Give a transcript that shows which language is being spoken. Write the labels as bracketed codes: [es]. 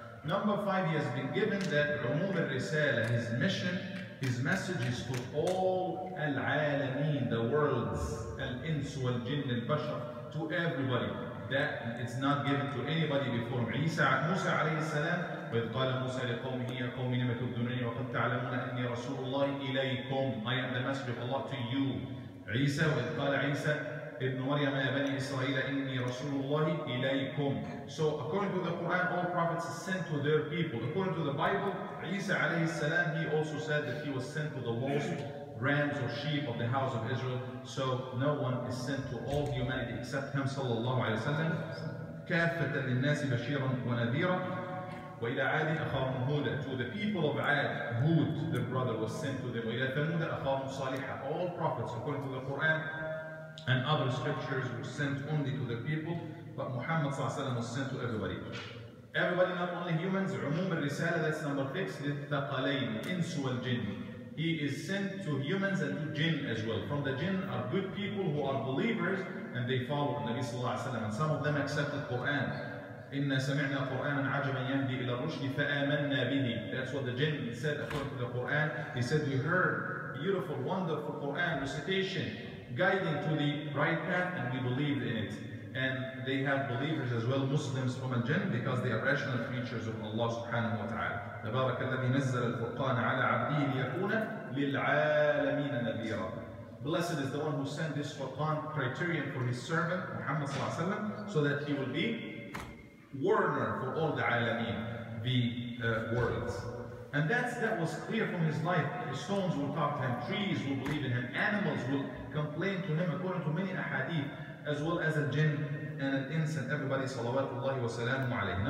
[en] Number five, he has been given that umum al-risala, his mission, his message is for all al-alameen, the worlds, al-ins, wal-jinn, al-bashar, to everybody. That it's not given to anybody before Musa alayhi salam. [ar] But قال موسى لقومه يا قوم إنما تبدونني وقد تعلمون أني رسول الله إليكم. [en] I am the messenger of Allah to you. [ar] عيسى وقال عيسى ابن مريم يا بني إسرائيل إني رسول الله إليكم. [en] So according to the Quran, all prophets are sent to their people. According to the Bible, عيسى عليه السلام, he also said that he was sent to the lost rams or sheep of the house of Israel. So no one is sent to all humanity except him صلى الله عليه وسلم. [ar] كافة للناس بشيرا ونذيرا. وإلى عاد أخاهم هود. [en] To the people of عاد, هود, their brother, was sent to them. [ar] وإلى ثمود أخاهم صالحا. [en] All prophets, according to the Quran and other scriptures, were sent only to the people, but Muhammad صلى الله عليه وسلم was sent to everybody. Everybody, not only humans. [ar] عموم الرسالة, [en] that's number six. [ar] للثقلين, إنس والجن. [en] He is sent to humans and to jinn as well. From the jinn are good people who are believers and they follow the Nabi صلى الله عليه وسلم. And some of them accepted Quran. [ar] إنا سمعنا قرآنا عجبا يهدي إلى الرشد فآمنا به. [en] That's what the jinn said according to the Quran. He said, we heard beautiful, wonderful Quran recitation guiding to the right path and we believed in it. And they have believers as well, Muslims from al-jinn, because they are rational creatures of Allah subhanahu wa ta'ala. [ar] تبارك الذي نزل الفرقان على عبده ليكون للعالمين نذيرا. [en] Blessed is the one who sent this Furqan criterion for his servant Muhammad صلى الله عليه وسلم, so that he will be warner for all the alameen, the worlds. And that was clear from his life. His stones will talk to him, trees will believe in him, animals will complain to him according to many ahadith, as well as a jinn and an ins and everybody salawatullahi wa salamu alayhi.